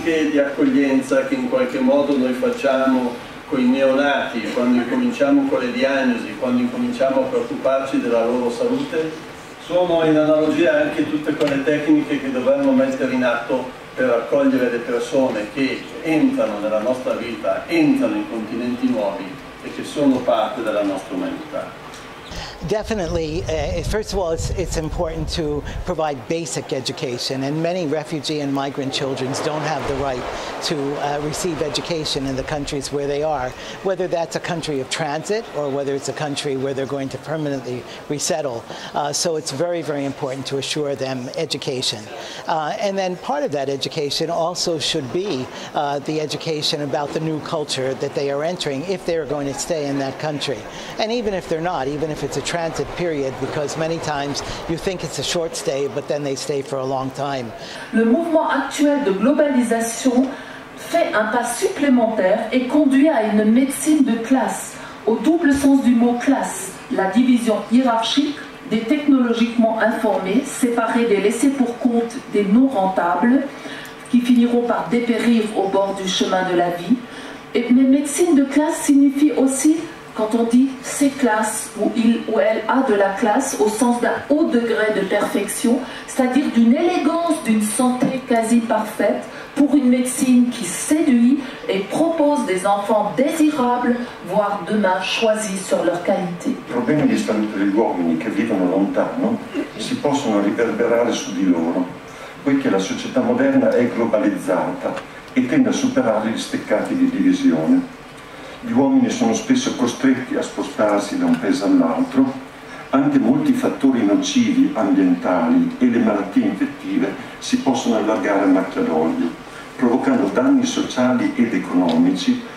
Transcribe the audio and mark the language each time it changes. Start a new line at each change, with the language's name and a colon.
Italian: Di accoglienza che in qualche modo noi facciamo con i neonati, quando incominciamo con le diagnosi, quando incominciamo a preoccuparci della loro salute, sono in analogia anche tutte quelle tecniche che dovremmo mettere in atto per accogliere le persone che entrano nella nostra vita, entrano in continenti nuovi e che sono parte della nostra umanità.
English: Definitely, first of all, it's important to provide basic education, and many refugee and migrant children don't have the right to receive education in the countries where they are, whether that's a country of transit or whether it's a country where they're going to permanently resettle. So it's very, very important to assure them education. And then part of that education also should be the education about the new culture that they are entering if they're going to stay in that country. And even if they're not, even if it's a transit period, because many times you think it's a short stay, but then they stay for a long time.
French: Le mouvement actuel de globalisation fait un pas supplémentaire et conduit à une médecine de classe, au double sens du mot classe, la division hiérarchique des technologiquement informés, séparés des laissés pour compte des non rentables, qui finiront par dépérir au bord du chemin de la vie. Et mais médecine de classe signifie aussi quand on dit « c'est classe » ou « il ou elle a de la classe » au sens d'un haut degré de perfection, c'est-à-dire d'une élégance, d'une santé quasi parfaite pour une médecine qui séduit et propose des enfants désirables, voire demain choisis sur leur qualité.
Italian: I problemi di salute degli uomini che vivono lontano si possono riverberare su di loro, poiché la società moderna è globalizzata e tende a superare gli steccati di divisione. Gli uomini sono spesso costretti a spostarsi da un paese all'altro, anche molti fattori nocivi ambientali e le malattie infettive si possono allargare a macchia d'olio, provocando danni sociali ed economici